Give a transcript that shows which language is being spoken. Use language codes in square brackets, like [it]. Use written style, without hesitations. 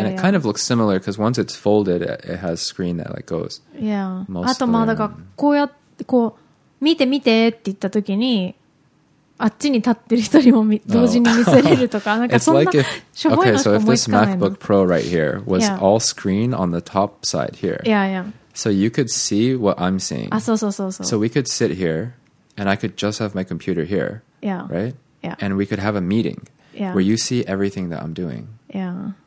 [en] and it kind of looks similar, because once it's folded, it has screen that like goes. [ja] Yeah. あと、まだか、こうやって、こう見て見てって言った時にあっちに立ってる人にも同時に見せれるとか、なんかそんなしょぼいのしか思いつかないの。 [en] Okay, so if this MacBook Pro right here was all screen on the top side here, yeah, yeah. So you could see what I'm seeing. [ja] あ、そうそうそうそう。 [en] So we could sit here and I could just have my computer here, yeah, right? Yeah. And we could have a meeting, yeah, where you see everything that I'm doing, yeah,